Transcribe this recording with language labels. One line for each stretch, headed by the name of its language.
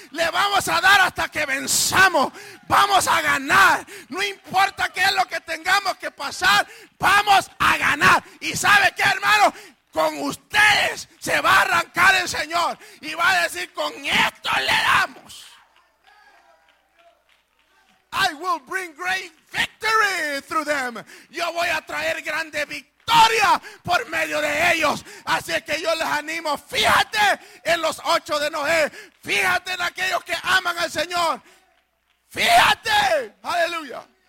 Spanish: Le vamos a dar hasta que venzamos. Vamos a ganar. No importa qué es lo que tengamos que pasar. Vamos a ganar. ¿Y sabe qué, hermano? Con ustedes se va a arrancar el Señor y va a decir, con esto le damos.
English: I will bring great victory through them.
Spanish: Yo voy a traer grande victoria por medio de ellos. Así es que yo les animo, fíjate en los 8 de Noé. Fíjate en aquellos que aman al Señor. Fíjate. Aleluya.